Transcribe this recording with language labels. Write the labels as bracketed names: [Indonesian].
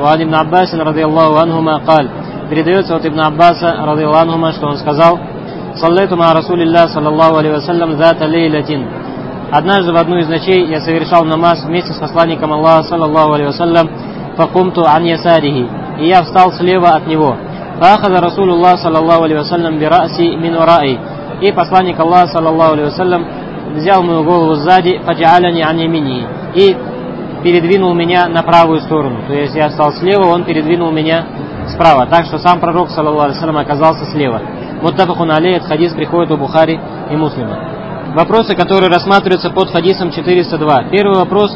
[Arabic] وعن ابن عباس رضي الله عنهما قال. [Russian] Передается от ابن عباس [Arabic] رضي الله عنهما [Russian] что он сказал. [Arabic] صليت مع رسول الله صلى الله عليه وسلم ذات ليلة. [Russian] Однажды в одну из ночей я совершал намаз вместе с посланником Аллаха [Arabic] صلى الله عليه وسلم. فقمت عن يساره. [Russian] И я встал слева от него. [Arabic] فأخذ رسول الله صلى الله عليه وسلم برأسي من ورائي. [Russian] И посланник Аллаха, саллаллаху алейхи ва саллям, взял мою голову сзади, [Arabic] фаджаляни ан ямини, [Russian] и передвинул меня на правую сторону. То есть я стал слева, он передвинул меня справа. Так что сам пророк, саллаллаху алейхи ва саллям, оказался слева. Муттафахун алейхи, хадис приходит у Бухари и Муслима. Вопросы, которые рассматриваются под хадисом 402. Первый вопрос.